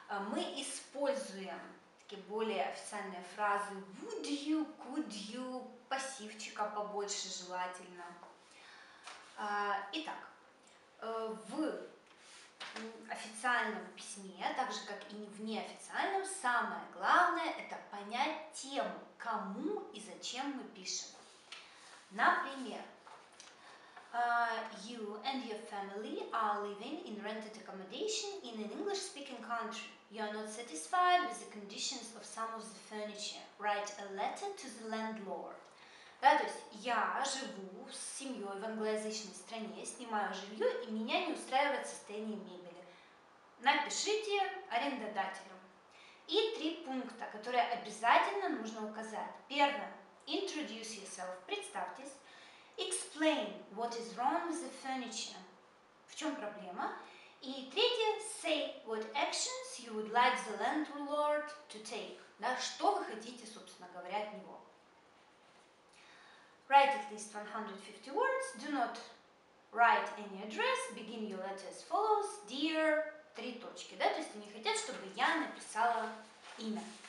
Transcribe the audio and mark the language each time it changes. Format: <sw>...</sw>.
<ru>Мы используем такие более официальные фразы</ru> <en>would you, could you,</en> <ru>пассивчика побольше желательно. Итак, в официальном письме, так же как и в неофициальном, самое главное это понять тему, кому и зачем мы пишем. Например,</ru> <en>you and your family are living in rented accommodation in an English-speaking country. You are not satisfied with the conditions of some of the furniture. Write a letter to the landlord.</en> <ru>Да, то есть я живу с семьей в англоязычной стране, снимаю жилье, и меня не устраивает состояние мебели. Напишите арендодателю. И три пункта, которые обязательно нужно указать. Первое.</ru> <en>Introduce yourself.</en> <ru>Представьтесь.</ru> <en>Explain what is wrong with the furniture.</en> <ru>В чем проблема? И третье.</ru> <en>Say what actions you would like the landlord to take.</en> <ru>Да, что вы хотите, собственно говоря, от него.</ru> <en>Write at least 150 words. Do not write any address. Begin your letter as follows. Dear.</en> <ru>Три точки. Да? То есть они хотят, чтобы я написала имя.</ru>